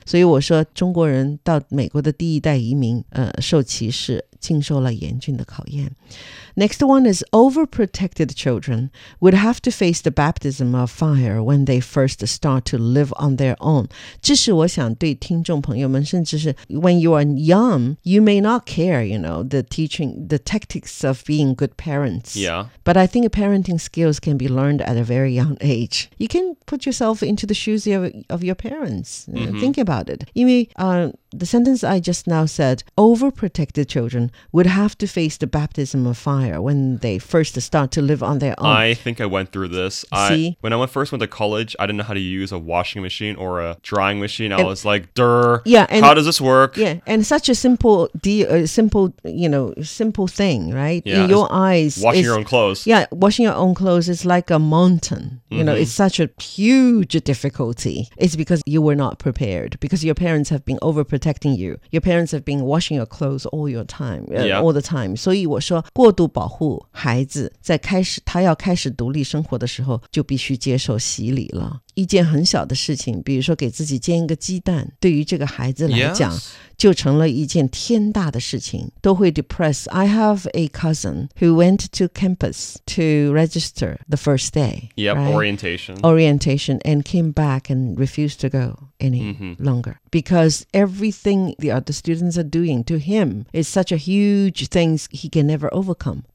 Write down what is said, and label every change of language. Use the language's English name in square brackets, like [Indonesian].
[Chinese] 所以我说中国人到美国的第一代移民受歧视经受了严峻的考验。 [English] Next one is overprotected children would have to face the baptism of fire when they first start to live on their own. [Chinese] 这是我想对听众朋友们甚至是 [English] when you are young, you may not care, you know, the tactics of being good parents. Yeah. But I think parenting skills can be learned at a very young age. You can put yourself into the shoes of your parents. Mm-hmm. Think about it. [Chinese] 因为 [English] the sentence I just now said, overprotected children would have to face the baptism of fire when they first start to live on their own. I think I went through this. See? When I first went to college, I didn't know how to use a washing machine or a drying machine. I was like, durr, yeah, and, how does this work? Yeah, and such a simple thing, right? Yeah, in your eyes. Washing your own clothes. Yeah, washing your own clothes is like a mountain. You know, it's such a huge difficulty. It's because you were not prepared, because your parents have been overprotected. Protecting you. Your parents have been washing your clothes all your time, all the time. [Chinese] 所以我说过度保护孩子在开始他要开始独立生活的时候就必须接受洗礼了。一件很小的事情比如说给自己煎一个鸡蛋对于这个孩子来讲、 [English] yes. [Chinese] 就成了一件天大的事情都会 depress. [English] I have a cousin who went to campus to register the first day. Yep,、 right? Orientation and came back and refused to go any longer. Because everything the other students are doing to him is such a huge thing he can never overcome.